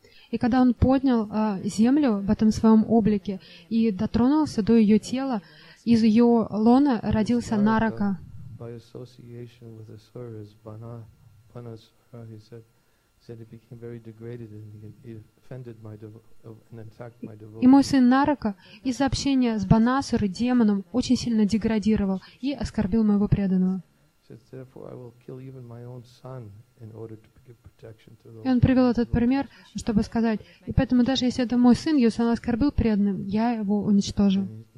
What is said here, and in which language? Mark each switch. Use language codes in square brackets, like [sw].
[ru] И когда он поднял землю в этом своем облике и дотронулся до ее тела, из ее лона родился Нарака. [en] By association with Asuras, Banasura, he said he became very degraded and he offended my and attacked my devotees. [ru] И мой сын Нарака из-за общения с Банасурой, демоном, очень сильно деградировал и оскорбил моего преданного. [en] Therefore, I will kill even my own son in order to give protection to those. [ru] И он привел этот пример, чтобы сказать, и поэтому даже если это мой сын, если он оскорбил преданным, я его уничтожу.